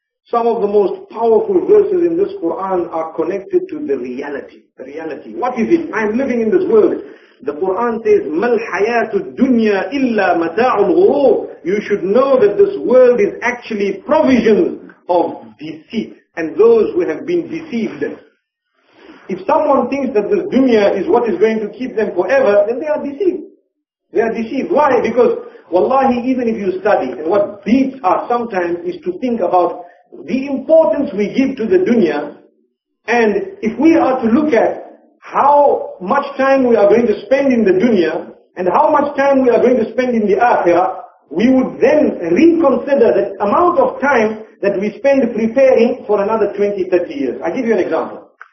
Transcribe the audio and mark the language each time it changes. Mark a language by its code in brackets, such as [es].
[en] Some of the most powerful verses in this Quran are connected to the reality. The reality. What is it? I am living in this world. The Quran says, [ar] مَلْ حَيَاتُ الدُّنْيَا إِلَّا مَتَاعُ الْغُرُورِ. [en] You should know that this world is actually provision of deceit and those who have been deceived. If someone thinks that this dunya is what is going to keep them forever, then they are deceived. They are deceived. Why? Because, wallahi, even if you study, and what beats us sometimes is to think about the importance we give to the dunya, and if we are to look at how much time we are going to spend in the dunya and how much time we are going to spend in the akhirah, we would then reconsider the amount of time that we spend preparing for another 20-30 years. I give you an example.